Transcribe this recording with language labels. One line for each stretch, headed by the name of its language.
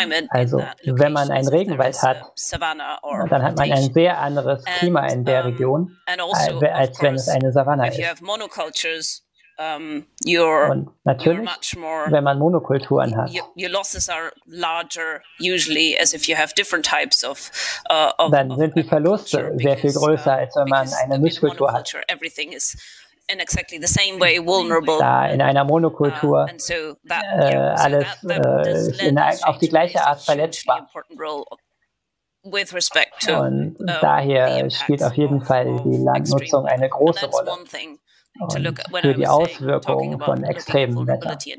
German: Also, wenn man einen Regenwald hat, dann hat man ein sehr anderes Klima in der Region, als wenn es eine Savanne ist. Und natürlich, wenn man Monokulturen hat.
English: Your losses are larger usually as if you have different types of
German: dann sind die Verluste sehr viel größer, als wenn man eine Mischkultur hat.
English: Everything is in exactly the same way vulnerable.
German: Da in einer Monokultur alles auf die gleiche Art verletzbar.
English: With respect to,
German: und daher spielt auf jeden Fall die Landnutzung eine große Rolle. Und für die Auswirkungen von extremem Wetter.